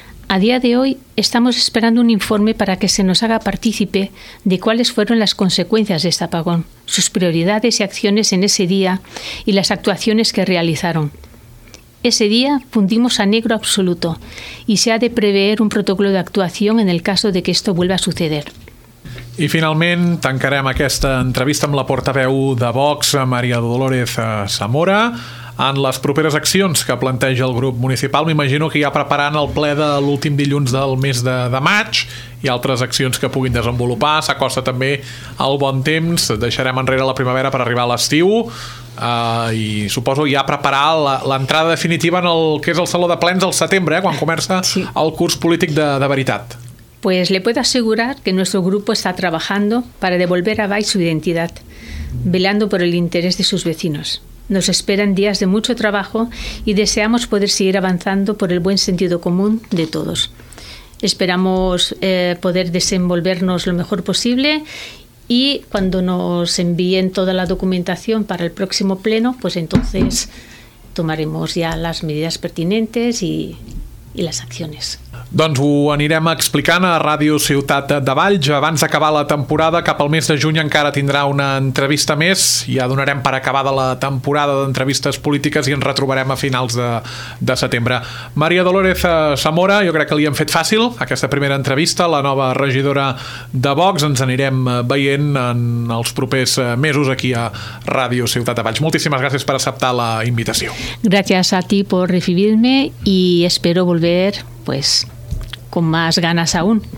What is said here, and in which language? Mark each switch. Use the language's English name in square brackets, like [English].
[Spanish] A día de hoy estamos esperando un informe para que se nos haga partícipe de cuáles fueron las consecuencias de este apagón, sus prioridades y acciones en ese día y las actuaciones que realizaron. Ese día fundimos a negro absoluto y se ha de prever un protocolo d'actuació en el caso de que esto vuelva a suceder. [Catalan] I finalment tancarem aquesta entrevista amb la portaveu de Vox, Maria Dolores Zamora. En les properes accions que planteja el grup municipal, m'imagino que ja preparant el ple de l'últim dilluns del mes de maig i altres accions que puguin desenvolupar. S'acosta també el bon temps, deixarem enrere la primavera per arribar a l'estiu. I suposo ja preparar l'entrada definitiva en el que és el Saló de Plens al setembre, quan comença el curs polític de veritat. [Spanish] Pues le puedo asegurar que nuestro grupo está trabajando para devolver a Baix su identidad, velando por el interés de sus vecinos. Nos esperan días de mucho trabajo y deseamos poder seguir avanzando por el buen sentido común de todos. Esperamos poder desenvolvernos lo mejor posible y cuando nos envíen toda la documentación para el próximo pleno, pues entonces tomaremos ya las medidas pertinentes y las acciones. [Catalan] Doncs ho anirem explicant a Ràdio Ciutat de Valls. Abans d'acabar la temporada, cap al mes de juny encara tindrà una entrevista més. Ja donarem per acabada la temporada d'entrevistes polítiques i ens retrobarem a finals de setembre. Maria Dolores Zamora, jo crec que li hem fet fàcil aquesta primera entrevista, la nova regidora de Vox. Ens anirem veient en els propers mesos aquí a Ràdio Ciutat de Valls. Moltíssimes gràcies per acceptar la invitació. [Spanish] Gràcies a ti por recibirme y espero volver... pues con más ganas aún.